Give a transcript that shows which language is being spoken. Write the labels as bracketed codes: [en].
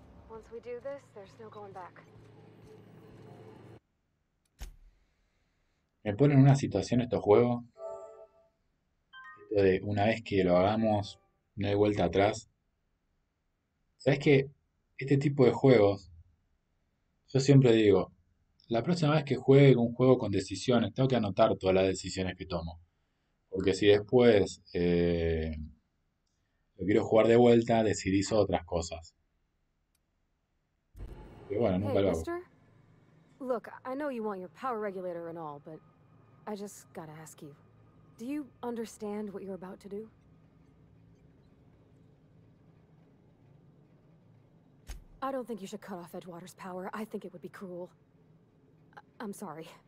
[en] Once we do this, there's no going back. [es] Me ponen en una situación estos juegos. De una vez que lo hagamos, no hay vuelta atrás. ¿Sabes qué? Este tipo de juegos, yo siempre digo, la próxima vez que juegue un juego con decisiones, tengo que anotar todas las decisiones que tomo. Porque si después lo quiero jugar de vuelta, decidís otras cosas. Pero bueno, nunca [en] Hey, [es] lo hago. [en] mister. Look, I know you want your power regulator and all, but I just gotta ask you. Do you understand what you're about to do? I don't think you should cut off Edgewater's power. I think it would be cruel. I'm sorry.